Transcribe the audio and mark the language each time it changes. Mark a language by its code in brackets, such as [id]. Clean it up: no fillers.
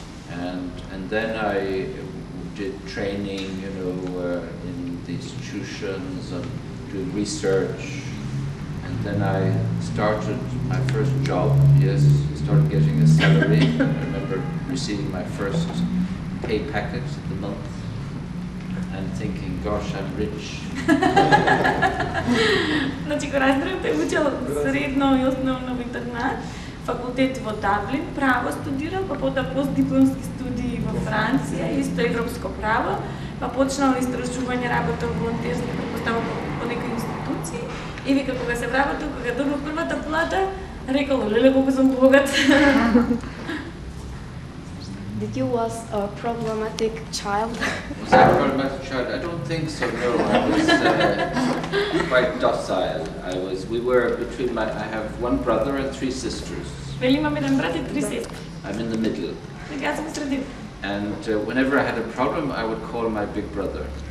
[en] And then I did training, you know, in the institutions, and doing research, And then I started my first job. Yes, I started getting a salary. I remember receiving my first pay packet of the month and thinking, gosh, I'm rich. [mk] Значи, кога разбирам, тој учел средно и основно во интернат, факултет во Даблин, право студирал, па потоа постдипломски студии во Франција, исто европско право, па почнал истражување, работа во тесни, постава по некои институции, и вика, кога се вработил, кога добил првата плата, рекол, леле, колко сум богат. [en] Did you was a problematic child? Was I a problematic child? I don't think so, no. I was quite docile. I was, we were between my, I have one brother and three sisters. I'm in the middle. And whenever I had a problem, I would call my big brother.